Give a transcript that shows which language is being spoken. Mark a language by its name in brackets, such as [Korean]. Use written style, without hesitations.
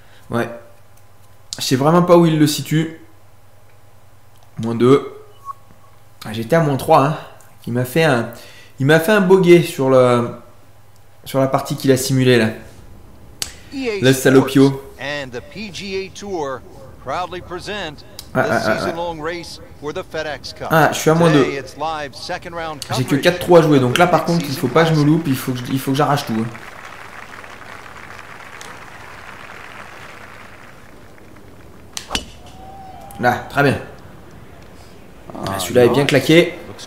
[French] Ouais. Je sais vraiment pas où il le situe. Moins 2. J'étais à moins 3. Hein. Il m'a fait un bogey sur le sur la partie qu'il a simulée là. Le salopio. [English] And the PGA Tour proudly present the season long race for the FedEx Cup. [French] Ah, je suis à moins 2. J'ai que 4-3 à jouer, donc là par contre, il faut pas que je me loupe, il faut que j'arrache tout. Hein. Là, très bien. Ah, celui-là est bien claqué.